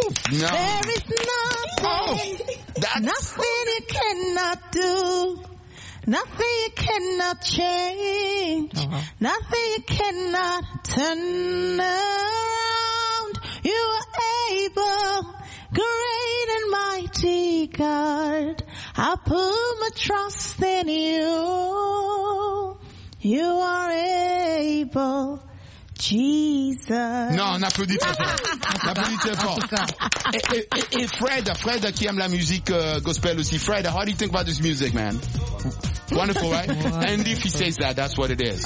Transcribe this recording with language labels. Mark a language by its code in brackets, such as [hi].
[en] There is nothing you cannot do, nothing you cannot change, nothing you cannot turn around. You are able, great and mighty God, I put my trust in you, you are able. Jesus. [fr] Non, on applaudit très fort. On applaudit très fort. Et Fred qui aime la musique gospel aussi. [en] Fred, how do you think about this music, man? Wonderful, right? Wow. And if he says that, that's what it is.